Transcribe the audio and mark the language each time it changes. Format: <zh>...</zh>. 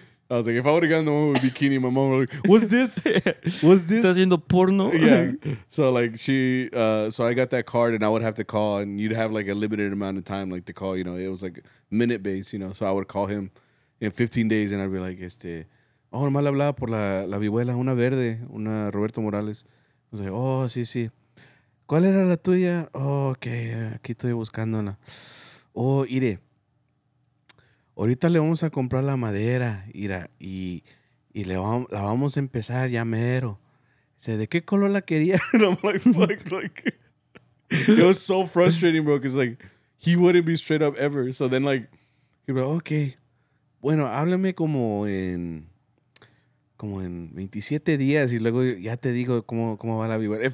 <en>I was like, if I would have gotten the one with bikini, my mom would be like, what's this? What's this?</en> <es>¿Estás viendo porno?</es> <en>Yeah. So, like, so I got that card and I would have to call and you'd have like a limited amount of time, like, to call, you know, it was like minute based, you know. So I would call him in 15 days and I'd be like,</en> <es>Oh, nomás le hablaba por la vihuela, una verde, una Roberto Morales.</es> <en>I was like,</en> <es>oh, sí, sí. ¿Cuál era la tuya? Oh, ok, aquí estoy buscándola. Oh, Ire, ahorita le vamos a comprar la madera, Ira, y la vamos a empezar ya mero. Dice, ¿de qué color la quería?</es> <en>And I'm like, fuck, like, it was so frustrating, bro, because, like, he wouldn't be straight up ever. So then, like, he'd be like,</en> <es>ok, bueno, háblame como en 27 días, y luego ya te digo cómo va la vihuela.</es>